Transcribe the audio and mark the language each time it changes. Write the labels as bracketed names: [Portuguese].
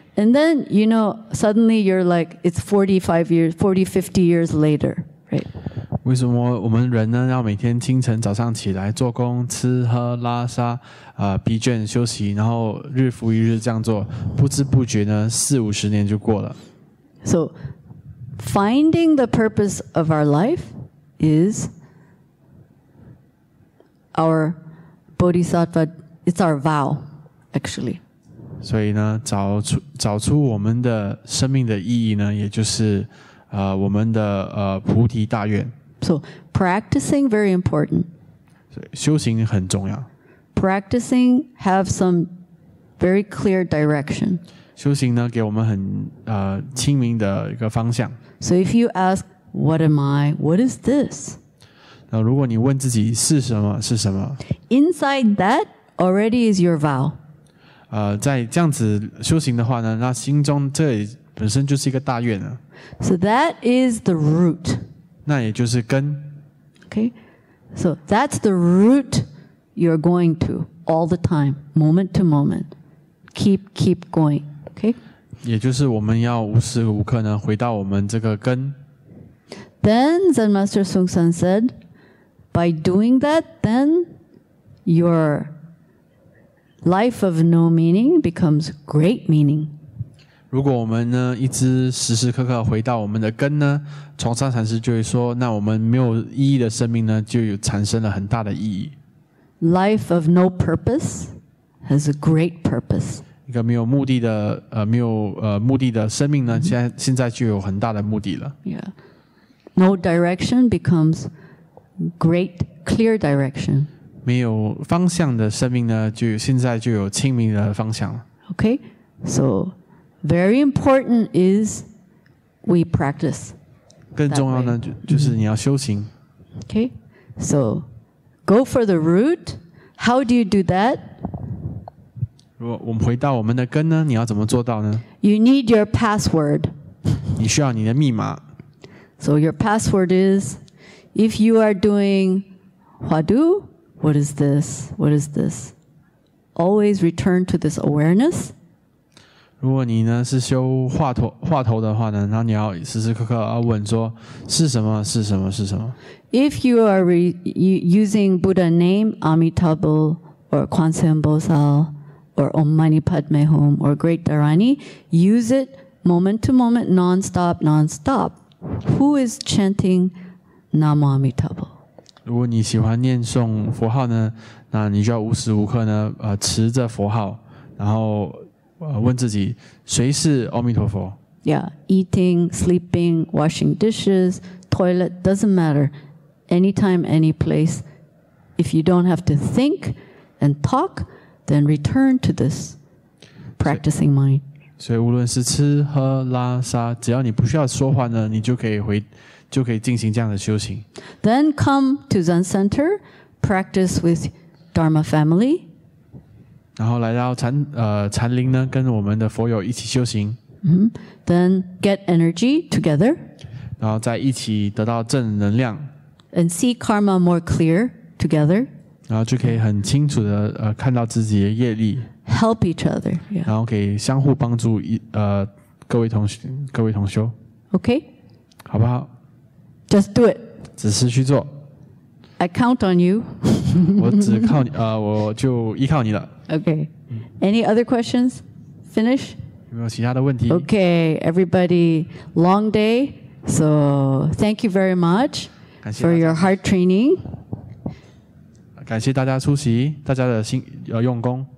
[English] And then, you know, suddenly you're like, it's 40, 50 years later, right? [Chinese] 为什么我们人呢要每天清晨早上起来做工吃喝拉撒疲倦休息然后日复一日这样做不知不觉呢四五十年就过了。 [English] So, finding the purpose of our life is our... Bodhisattva, it's our vow, actually. [Chinese] 所以呢，找出我们的生命的意义呢，也就是我们的菩提大愿。 [English] So practicing very important. [Chinese] 修行很重要。 [English] Practicing have some very clear direction. [Chinese] 修行呢，给我们很清明的一个方向。 [English] So if you ask, "What am I? What is this?" [Chinese] 那如果你问自己是什么？ [English] Inside that already is your vow. [Chinese] 在这样子修行的话呢，那心中这里本身就是一个大愿了。 [English] So that is the root. [Chinese] 那也就是根。 [English] Okay, so that's the root you're going to all the time, moment to moment. Keep going. Okay. [Chinese] 也就是我们要无时无刻呢回到我们这个根。 [English] Then Zen Master Sung San said, by doing that, then your life of no meaning becomes great meaning. [Chinese] 如果我们呢一直时时刻刻回到我们的根呢，崇山禅师就会说，那我们没有意义的生命呢，就有产生了很大的意义。 [English] Life of no purpose has a great purpose. [Chinese] 一个没有目的的没有目的的生命呢，现在就有很大的目的了。 [English] Yeah. No direction becomes great clear direction. [Chinese] 没有方向的生命呢，就现在就有清明的方向了。 [English] Okay, so very important is we practice. [Chinese] 更重要呢，就是你要修行。 [English] Okay, so go for the root. How do you do that? [Chinese] 如果我们回到我们的根呢，你要怎么做到呢？ [English] You need your password. [Chinese] 你需要你的密码。 [English] So your password is, if you are doing Huadu, what is this? What is this? Always return to this awareness. [Chinese] 如果你呢是修话头的话呢，那你要时时刻刻要问说是什么是什么是什么。 [English] If you are using Buddha name, Amitabha or Kwan Sambosa or Om Mani Padme Hum or Great Dharani, use it moment to moment, non-stop. Who is chanting Namo Amitabha? [Chinese] 如果你喜欢念诵佛号呢，那你就要无时无刻呢，持着佛号，然后问自己，谁是阿弥陀佛？ [English] Yeah, eating, sleeping, washing dishes, toilet, doesn't matter. Anytime, any place. If you don't have to think and talk, then return to this practicing mind. [Chinese] 所以无论是吃喝拉撒，只要你不需要说话呢，你就可以进行这样的修行。 [English] Then come to Zen Center, practice with Dharma family. [Chinese] 然后来到禅林呢，跟我们的佛友一起修行。 [English] Mm-hmm. Then get energy together. [Chinese] 然后再一起得到正能量。 [English] And see karma more clear together. [Chinese] 然后就可以很清楚的看到自己的业力。 [English] Help each other. Yeah. [Chinese] 然后给相互帮助各位同修。 [English] Okay. [Chinese] 好不好 [English] ？Just do it. [Chinese] 只是去做。 [English] I count on you. [Chinese] 我只靠你我就依靠你了。 [English] Okay. Any other questions? Finish. [Chinese] 有没有其他的问题 [English] ？Okay, everybody. Long day. So thank you very much for your hard training. [Chinese] 感谢大家出席，大家的心用功。